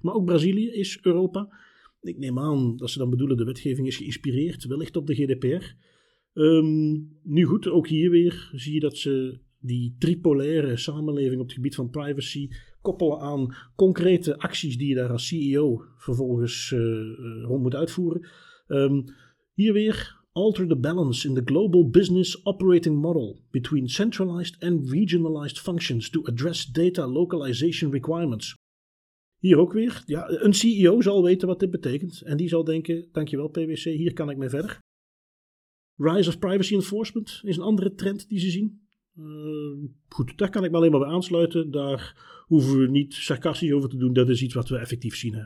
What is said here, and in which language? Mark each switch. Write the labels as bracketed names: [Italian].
[Dutch] Maar ook Brazilië is Europa. Ik neem aan dat ze dan bedoelen, de wetgeving is geïnspireerd, wellicht op de GDPR. Nu goed, ook hier weer zie je dat ze die tripolaire samenleving op het gebied van privacy koppelen aan concrete acties die je daar als CEO vervolgens rond moet uitvoeren. Hier weer, [English] alter the balance in the global business operating model between centralized and regionalized functions to address data localization requirements. [Dutch] Hier ook weer. Een CEO zal weten wat dit betekent. En die zal denken, dankjewel PwC, hier kan ik mee verder. [English] Rise of privacy enforcement [Dutch] is een andere trend die ze zien. Goed, daar kan ik me alleen maar bij aansluiten. Daar hoeven we niet sarcastisch over te doen. Dat is iets wat we effectief zien. Hè.